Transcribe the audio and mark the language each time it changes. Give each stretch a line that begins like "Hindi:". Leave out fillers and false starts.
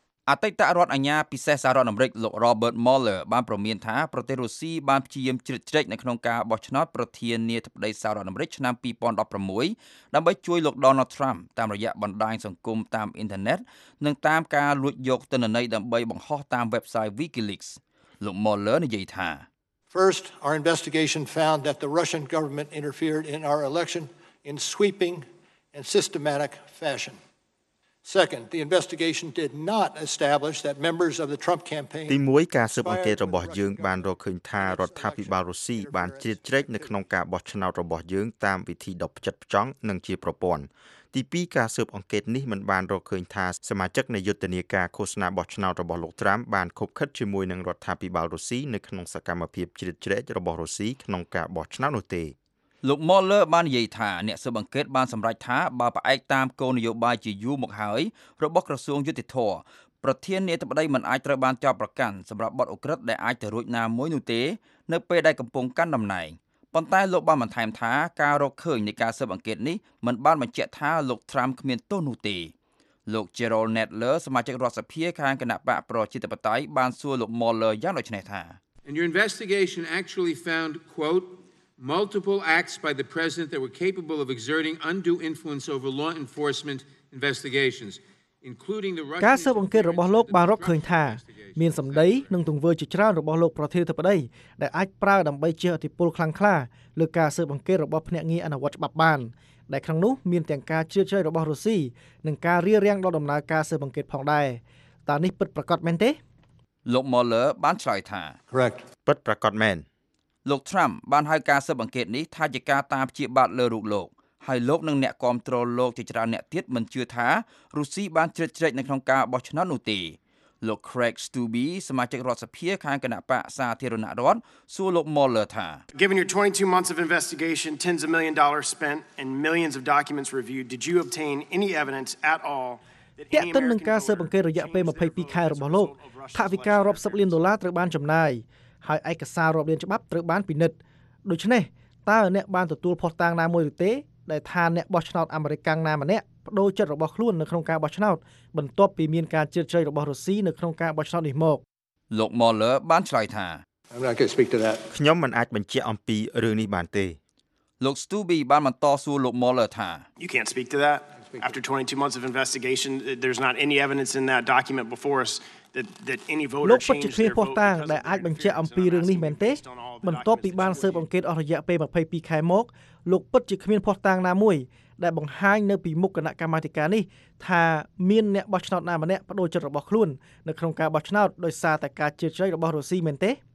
Khmer: អតីតរដ្ឋអាជ្ញាពិសេសសហរដ្ឋអាមេរិកលោក Robert Mueller បានប្រមាណថាប្រទេសរុស្ស៊ីបានព្យាយាមជ្រៀតជ្រែកនៅក្នុងការបោះឆ្នោតប្រធានាធិបតីសហរដ្ឋអាមេរិកឆ្នាំ2016ដើម្បីជួយលោក Donald Trump តាមរយៈបណ្ដាញសង្គមតាមអ៊ីនធឺណិតនិងតាមការលួចយកទិន្នន័យដើម្បីបង្ហោះតាម website WikiLeaks លោក Mueller និយាយថា
English: First our investigation found that the Russian government interfered in our election in sweeping and systematic fashion. Second, the investigation did not establish that members of the Trump campaign.
Khmer: ទី1ការស៊ើបអង្កេតរបស់យើងបានរកឃើញថារដ្ឋាភិបាលរុស្ស៊ីបានជ្រៀតជ្រែកនៅក្នុងការបោះឆ្នោតរបស់យើងតាមវិធីដ៏ផ្ចិតផ្ចង់និងជាប្រព័ន្ធ។ទី2ការស៊ើបអង្កេតនេះមិនបានរកឃើញថាសមាជិកនៃយុទ្ធនាការឃោសនាបោះឆ្នោតរបស់លោកត្រាំបានខុបខិតជាមួយនឹងរដ្ឋាភិបាលរុស្ស៊ីនៅក្នុងសកម្មភាពជ្រៀតជ្រែករបស់រុស្ស៊ីក្នុងការបោះឆ្នោតនោះទេ។ លោក Mueller បាននិយាយថាអ្នកស៊ើបអង្កេតបានសម្រេចថាបើផ្អែកតាមគោលនយោបាយជាយូរមកហើយរបស់ក្រសួងយុតិធម៌ប្រធាននាយកបដីមិនអាចត្រូវបានចាប់ប្រកាន់សម្រាប់បទឧក្រិដ្ឋដែលអាចទៅរួចណាមួយនោះទេនៅពេលដែលកំពុងកាន់តំណែងប៉ុន្តែលោកបានបន្ថែមថាការរកឃើញនៃការស៊ើបអង្កេតនេះមិនបានបញ្ជាក់ថាលោក Trump គ្មានទោសនោះទេលោក Gerald Nadler សមាជិករដ្ឋសភាខាងគណបកប្រជាធិបតេយ្យបានសួរលោក Mueller យ៉ាងដូចនេះថា
English: And your investigation actually found quote,Multiple acts by the president that were capable of exerting undue influence over law enforcement investigations, including the Russian.
Khmer: ការស៊ើបអង្កេតរបស់លោកបានរកឃើញថាមានសម្ដីនិងទង្វើជាច្រើនរបស់លោកប្រធានាធិបតីដែលអាចប្រើដើម្បីជាឥទ្ធិពលខ្លាំងក្លាលើការស៊ើបអង្កេតរបស់ភ្នាក់ងារអនុវត្តច្បាប់បានដែលក្នុងនោះមានទាំងការជ្រៀតជ្រែករបស់រុស្ស៊ីនិងការរារាំងដល់ដំណើរការស៊ើបអង្កេតផងដែរតើនេះពិតប្រាកដមែនទេ លោក Mueller បានឆ្លើយថា
English: Correct
Khmer: ពិតប្រាកដមែន លោក Trump បានហៅការស៊ើបអង្កេតនេះថាជាការតាមព្យាបាទលើរូបលោកហើយលោកនិងអ្នកគ្រប់គ្រងលោកជាច្រើនអ្នកទៀតមិនជឿថារុស្ស៊ីបានជ្រៀតជ្រែកនៅក្នុងការបោះឆ្នោតនោះទេលោក Craig Stubbe សមាជិករដ្ឋសភាខាងគណៈបកសាធារណរដ្ឋសួរលោក Mueller ថា
English: Given your 22 months of investigation, tens of millions of dollars spent and millions of documents reviewed, did you obtain any evidence at all?
Khmer: តើតើនឹងការស៊ើបអង្កេតរយៈពេល22ខែរបស់លោកថាវិការរាប់សិបលានដុល្លារត្រូវបានចំណាយហើយឯកសាររាប់លានច្បាប់ត្រូវបានពិនិត្យដូច្នេះតើអ្នកបានទទួលភស្តុតាងណាមួយឬទេដែលថាអ្នកបោះឆ្នោតអាមេរិកណាម្នាក់ប្តូរចិត្តរបស់ខ្លួននៅក្នុងការបោះឆ្នោតបន្ទាប់ពីមានការជ្រៀតជ្រែករបស់រុស្ស៊ីនៅក្នុងការបោះឆ្នោតនេះមក លោក Mueller បានឆ្លើយថា ខ្ញុំមិនអាចបញ្ជាក់អំពីរឿងនេះបានទេ លោក Stubbe បានបន្តសួរលោក Mueller ថា
English: You can't speak to thatAfter 22 months of investigation there's not any evidence in that document before us that any voter changed their vote.
Khmer: លោកពិតជាភស្តុតាងដែលអាចបញ្ជាក់អំពីរឿងនេះមែនទេ? បន្ទាប់ពីបានស៊ើបអង្កេតអស់រយៈពេល22ខែមកលោកពិតជាគ្មានភស្តុតាងណាមួយដែលបង្ហាញនៅពីមុខគណៈកម្មាធិការនេះថាមានអ្នកបោះឆ្នោតណាម្នាក់ប្តូរចិត្តរបស់ខ្លួននៅក្នុងការបោះឆ្នោតដោយសារតែការជឿជ្រៃរបស់រុស្ស៊ីមែនទេ?